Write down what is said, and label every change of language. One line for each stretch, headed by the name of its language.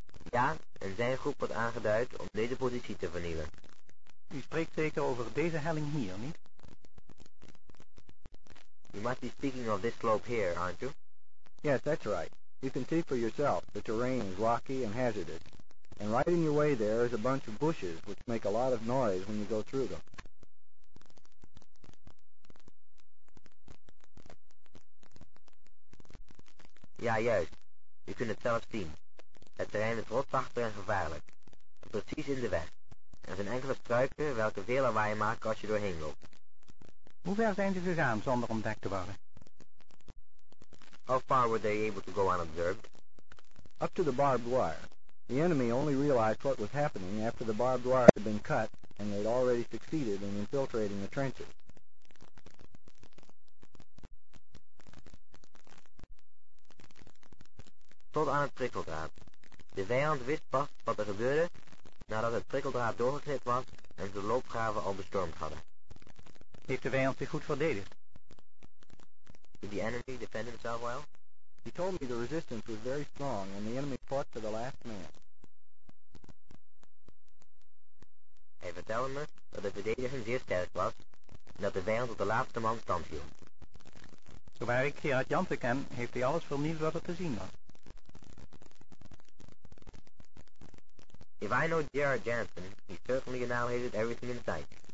Dutch: Ja, en zijn groep wordt aangeduid om deze positie te vernielen. U spreekt zeker over deze helling hier, niet?
English: You must be speaking of this slope here, aren't you? Yes, that's right. You can see for yourself the terrain is rocky and hazardous. And right in your way there is a bunch of bushes which make a lot of noise when you go through them.
Dutch: Ja, juist. Je kunt het zelf zien. Het terrein is rotsachtig en gevaarlijk. Precies in de weg. Er zijn enkele struiken welke veel lawaai maken als je doorheen loopt. Hoe ver zijn ze gegaan zonder ontdekt te worden?
English: How far were they able to go unobserved? Up to the barbed wire. The enemy only realized what was happening after the barbed wire had been cut and they'd already succeeded in infiltrating the trenches.
Dutch: Tot aan het prikkeldraad. De vijand wist pas wat er gebeurde nadat het prikkeldraad doorgeknipt was en ze de loopgraven al bestormd hadden. Heeft de vijand zich goed verdedigd?
English: Did the enemy defend himself well? He told me the resistance was very strong and the enemy fought to the last man.
Dutch: Hij vertelde me dat de verdediging zeer sterk was en dat de vijand tot de laatste man stand hield. Zover ik Gerard Jansen ken, heeft hij alles vernield wat er te zien was.
English: If I know Gerard Jansen, he certainly annihilated everything in sight.